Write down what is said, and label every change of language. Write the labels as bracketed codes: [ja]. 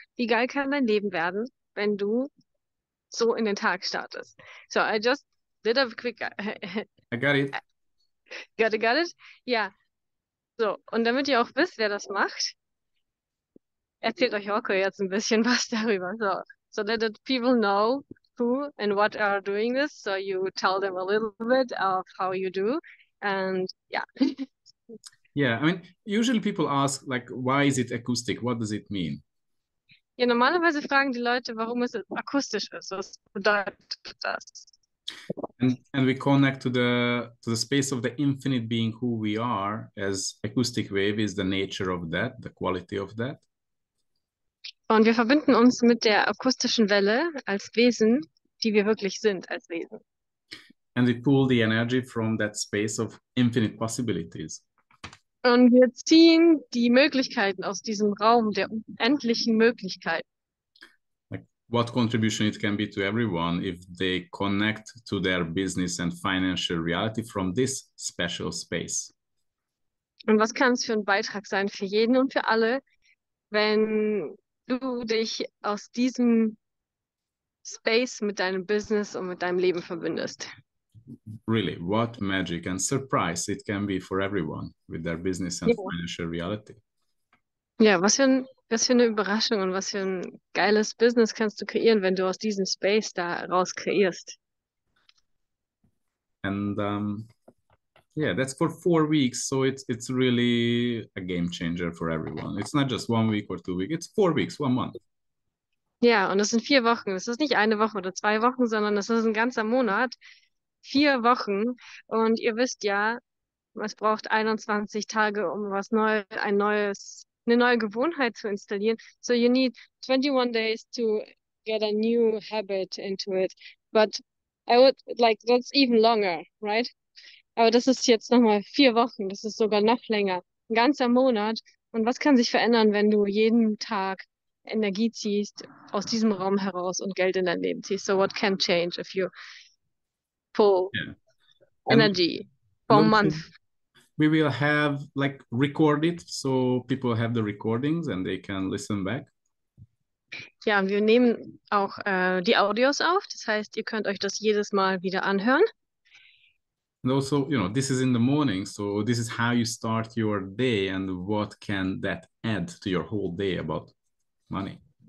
[de] Wie geil kann dein Leben werden, wenn du so in den Tag startest? [en] So, I just did a quick. I got it. Got it? Ja. [de] So, und damit ihr auch wisst, wer das macht, erzählt euch Orko jetzt ein bisschen was darüber. [en] So, so that people know who and what are doing this, so you tell them a little bit of how you do, and yeah. Yeah, I mean, usually people ask, like, why is it acoustic? What does it mean? [de] Ja, normalerweise fragen die Leute, warum es akustisch ist. Was bedeutet das? [en] And we connect to the space of the infinite being who we are, as acoustic wave is the nature of that, the quality of that. [de] Und wir verbinden uns mit der akustischen Welle als Wesen, die wir wirklich sind, als Wesen. [en] And we pull the energy from that space of infinite possibilities. [de] Und wir ziehen die Möglichkeiten aus diesem Raum der unendlichen Möglichkeiten. [en] What contribution it can be to everyone if they connect to their business and financial reality from this special space. [de] Und was kann es für ein Beitrag sein für jeden und für alle, wenn du dich aus diesem Space mit deinem Business und mit deinem Leben verbindest. [en] Really, what magic and surprise it can be for everyone with their business and [de] Ja. [en] financial reality. [de] Ja, was für eine Überraschung und was für ein geiles Business kannst du kreieren, wenn du aus diesem Space da raus kreierst. [en] And yeah, that's for 4 weeks, so it's really a game changer for everyone. It's not just 1 week or 2 weeks, it's 4 weeks, 1 month. [de] Ja, und es sind 4 Wochen. Es ist nicht eine Woche oder 2 Wochen, sondern es ist ein ganzer Monat. 4 Wochen. Und ihr wisst ja, es braucht 21 Tage, um was neu, ein neues, eine neue Gewohnheit zu installieren. [en] So you need 21 days to get a new habit into it. But I would like, that's even longer, right? [de] Aber das ist jetzt nochmal 4 Wochen. Das ist sogar noch länger. Ein ganzer Monat. Und was kann sich verändern, wenn du jeden Tag Energie ziehst aus diesem Raum heraus und Geld in dein Leben ziehst. [en] So, what can change if you pull Yeah. And energy for a month? we will have like record it so people have the recordings and they can listen back. [de] Ja, und wir nehmen auch die Audios auf. Das heißt, ihr könnt euch das jedes Mal wieder anhören. [en] And also, you know, this is in the morning, so this is how you start your day and what can that add to your whole day about money?